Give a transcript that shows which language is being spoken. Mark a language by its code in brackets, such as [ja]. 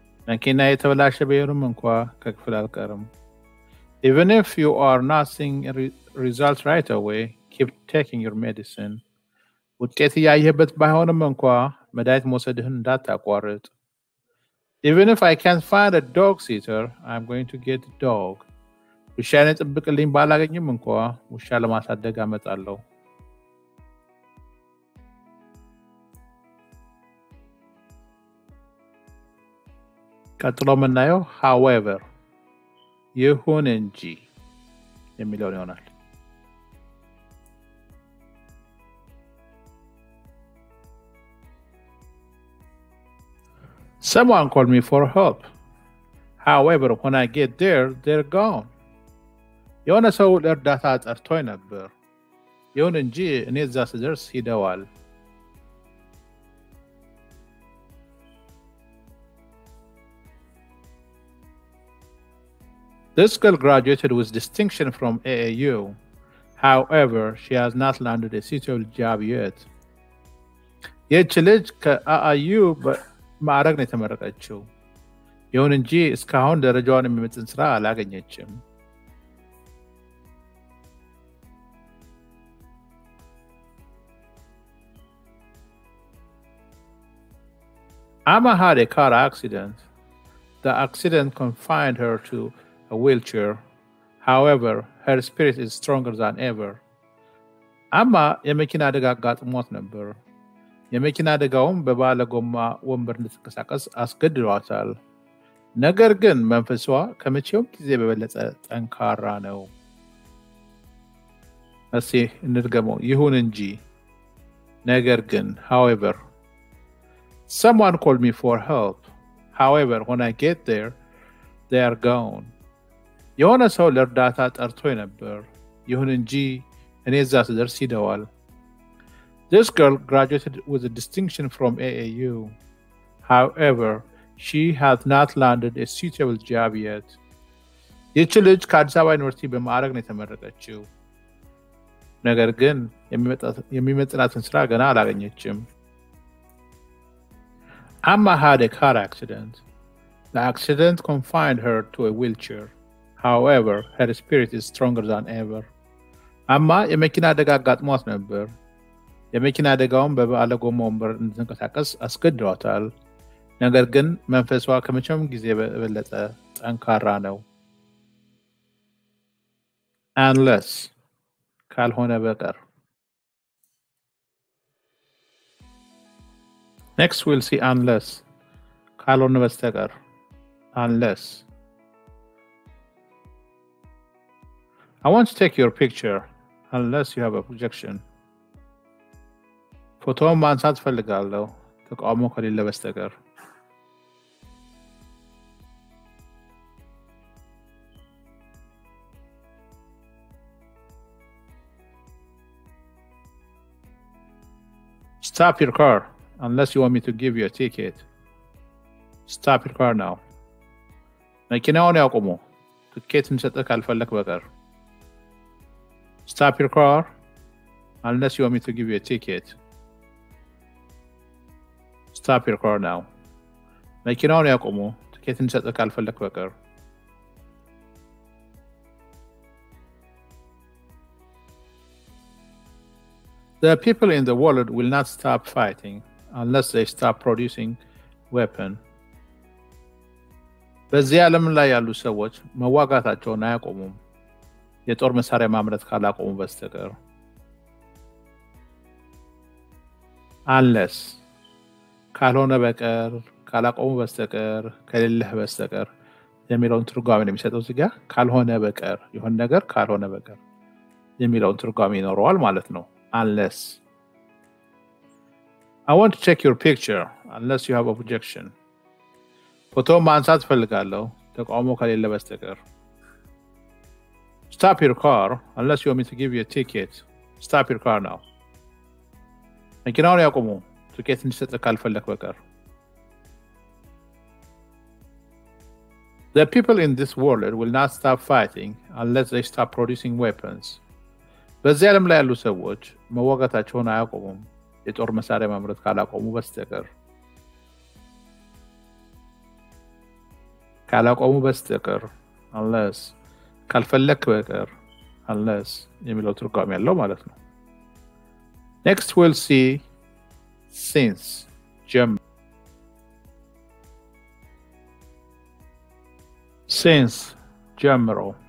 [am] መኪና የተበላሸ ቢሆንም እንኳ ከክፍል አልቀርም። [en] Even if you are not seeing results right away, keep taking your medicine. [am] ውጤት እያየህበት ባይሆንም እንኳ መድኃኒት መውሰድህን እንዳታቋርጥ። [en] Even if I can't find a dog sitter, I'm going to get a dog. [am] ውሻ ጠብቅልኝ ባላገኝም እንኳ ውሻ ለማሳደግ አመጣለሁ። ቀጥሎ ምናየው however ይሁን እንጂ የሚለውን ይሆናል። [en] Someone called me for help. However, when I get there, they're gone. [am] የሆነ ሰው ለእርዳታ ጠርቶኝ ነበር። ይሁን እንጂ እኔ እዛ ስደርስ ሄደዋል። [en] This girl graduated with distinction from AAU. However, she has not landed a suitable job yet. [am] ይህች ልጅ ከአአዩ ማዕረግ ነው የተመረቀችው። ይሁን እንጂ እስካሁን ደረጃዋን የሚመጥን ስራ አላገኘችም። [en] Amma had a car accident. The accident confined her to a wheelchair. However, her spirit is stronger than ever. [am] Amma የመኪና አደጋ አጋጥሞት ነበር። የመኪና አደጋውም በባለ ጎማ ወንበር እንድትንቀሳቀስ አስገድዷታል። ነገር ግን መንፈሷ ከመቼውም ጊዜ በበለጠ ጠንካራ ነው። እስኪ እንድገመው። ይሁን እንጂ ነገር ግን however [en] Someone called me for help. However, when I get there, they are gone. [am] የሆነ ሰው ለእርዳታ ጠርቶኝ ነበር። ይሁን እንጂ እኔ እዛ ስደርስ ሄደዋል። [en] This girl graduated with a distinction from AAU. However, she has not landed a suitable job yet. [am] ይህች ልጅ ከአዲስ አበባ ዩኒቨርሲቲ በማዕረግ ነው የተመረቀችው። ነገር ግን የሚመጥናትን ስራ ገና አላገኘችም። [en] Amma had a car accident. The accident confined her to a wheelchair. However, her spirit is stronger than ever. [am] Amma የመኪና አደጋ አጋጥሟት ነበር። የመኪና አደጋውም በባለ ጎማ ወንበር እንድትንቀሳቀስ አስገድዷታል። ነገር ግን መንፈሷ ከመቼውም ጊዜ በበለጠ ጠንካራ ነው። Unless ካልሆነ በቀር [en] Next we'll see unless. [am] ካልሆነ በስተቀር unless. [en] I want to take your picture unless you have a objection. [am] ፎቶውን ማንሳት ፈልጋለሁ ተቃውሞ ከሌለ በስተቀር። [en] Stop your car. Unless you want me to give you a ticket. Stop your car now. [am] መኪናውን ያቁሙ ትኬት እንሰጥህ ካልፈለክ በቀር። [en] Stop your car. Unless you want me to give you a ticket. Stop your car now. [am] መኪናውን ያቁሙ ትኬት እንሰጥህ ካልፈለክ በቀር። [en] The people in the world will not stop fighting. Unless they stop producing weapon. [am] በዚህ ዓለም ላይ ያሉ ሰዎች መዋጋታቸውን አያቆሙም የጦር መሳሪያ ማምረት ካላቆሙ በስተቀር። Unless ካልሆነ በቀር ካላቆሙ በስተቀር ከሌለህ በስተቀር የሚለውን ትርጓሜ ነው የሚሰጠው እዚህ ጋር። ካልሆነ በቀር የሆነ ነገር ካልሆነ በቀር የሚለውን ትርጓሜ ይኖረዋል ማለት ነው። [en] Unless I want to check your picture unless you have objection. [am] ፎቶ ማንሳት ፈልጋለሁ ተቃውሞ ከሌለ በስተቀር። [en] Stop your car unless you want me to give you a ticket. Stop your car now. [am] መኪናውን ያቁሙ ትኬት እንዲሰጥ ካልፈለክ በቀር. [en] The people in this world will not stop fighting unless they stop producing weapons. [am] በዚህ ዓለም ላይ ያሉ ሰዎች መዋጋታቸውን አያቆሙም የጦር መሳሪያ ማምረት ካላቆሙ በስተቀር. ካላቆሙ በስተቀር unless ካልፈለክ በቀር unless የሚለው ትርጓሜ ያለው ማለት ነው. [en] Next we'll see since Germany. [am] Since ጀምሮ.